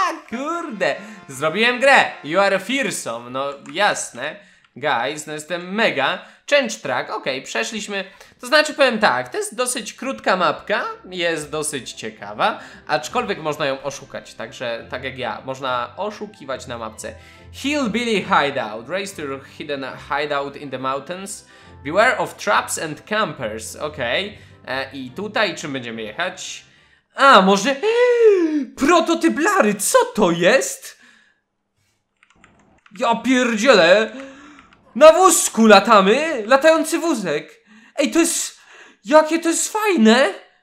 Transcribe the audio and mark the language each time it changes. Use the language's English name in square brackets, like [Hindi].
[Polish] Kurde, zrobiłem grę. [English] You are fearsome, [Polish] no jasne. Guys, no jestem mega. [English] Change track, [Polish] okej, okay, przeszliśmy. To znaczy powiem tak, to jest dosyć krótka mapka. Jest dosyć ciekawa. Aczkolwiek można ją oszukać. Także, tak jak ja, można oszukiwać na mapce. [English] Hillbilly Hideout. Race to hidden hideout in the mountains. Beware of traps and campers. [Polish] Okej. Okay. I tutaj czym będziemy jechać? A, może... Prototyp Lary, co to jest? Ja pierdzielę! Na wózku latamy! Latający wózek! Ej, to jest... Jakie to jest fajne!